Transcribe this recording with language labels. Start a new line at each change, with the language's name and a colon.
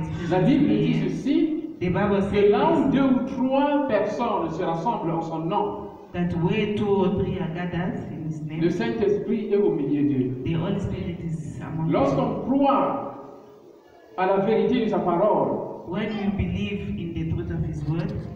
French: La Bible dit ceci, que là où deux ou trois personnes se rassemblent en son nom,
English: That where two or three are gathered in his name.
French: Le Saint-Esprit est au milieu d'eux.
English: The Holy Spirit is among them.
French: Lorsqu'on croit à la vérité de sa parole.
English: When you believe in the truth of his word.